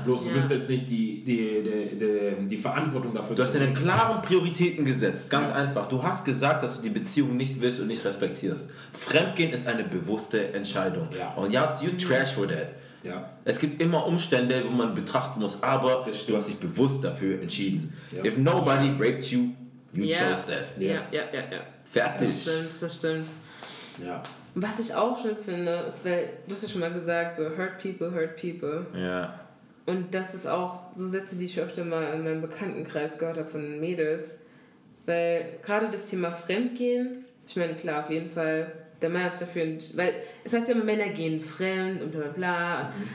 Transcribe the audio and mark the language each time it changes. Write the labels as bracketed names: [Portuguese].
[German] Bloß du willst jetzt nicht die Verantwortung dafür. Du hast dir einen klaren Prioritäten gesetzt. Ganz einfach. Du hast gesagt, dass du die Beziehung nicht willst und nicht respektierst. Fremdgehen ist eine bewusste Entscheidung. Ja. Und [English] you trash for that. [German] Ja. Es gibt immer Umstände, wo man betrachten muss, aber du hast dich bewusst dafür entschieden. Ja. [English] If nobody raped you, you chose that. Yes. [German] Fertig. Das stimmt. Ja. Was ich auch schön finde, ist, weil du hast ja schon mal gesagt, so [English] hurt people. [German] Ja. Und das ist auch so Sätze, die ich öfter mal in meinem Bekanntenkreis gehört habe von Mädels. Weil gerade das Thema Fremdgehen, ich meine, klar, auf jeden Fall, der Mann hat sich dafür, weil es heißt ja immer, Männer gehen fremd und bla bla bla.